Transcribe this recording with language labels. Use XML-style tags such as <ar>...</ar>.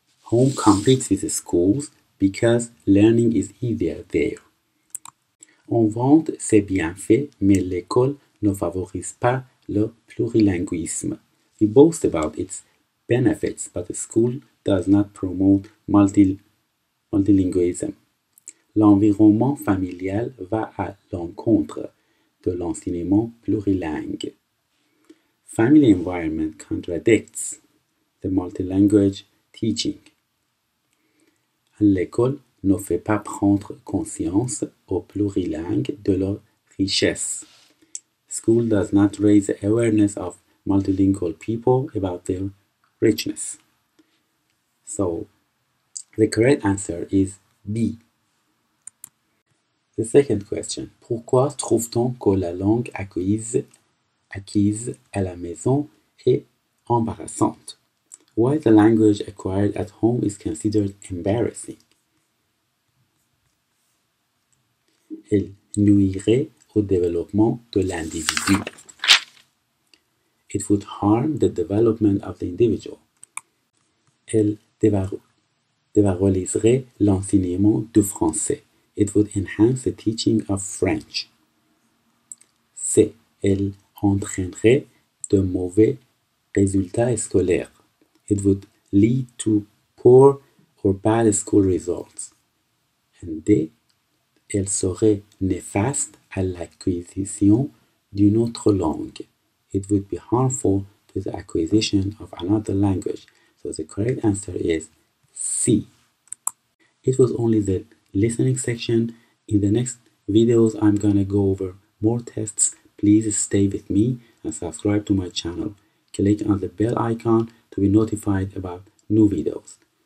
<en>Home competes with the schools because learning is easier there.</en> <fr>On vante ses bienfaits, mais l'école ne favorise pas le plurilinguisme.</fr> <en>We boast about its benefits, but the school does not promote multilinguism.</en> <fr>L'environnement familial va à l'encontre de l'enseignement plurilingue.</fr> <en>Family environment contradicts the multilingual teaching.</en> <fr>L'école ne fait pas prendre conscience aux plurilingues de leur richesse.</fr> <en>School does not raise the awareness of multilingual people about their richness. So, the correct answer is B. The second question.</en> <fr>Pourquoi trouve-t-on que la langue acquise à la maison est embarrassante?</fr> <en>Why the language acquired at home is considered embarrassing?</en> <fr>Elle nuirait au développement de l'individu.</fr> <en>It would harm the development of the individual.</en> <fr>Elle dévaloriserait l'enseignement du français.</fr> <en>It would enhance the teaching of French. C.</en> <fr>Elle entraînerait de mauvais résultats scolaires.</fr> <en>It would lead to poor or bad school results. And D.</en> <fr>Elle serait néfaste à l'acquisition d'une autre langue.</fr> <en>It would be harmful to the acquisition of another language. So the correct answer is C. It was only the listening section. In the next videos, I'm gonna go over more tests. Please stay with me and subscribe to my channel. Click on the bell icon to be notified about new videos.</en>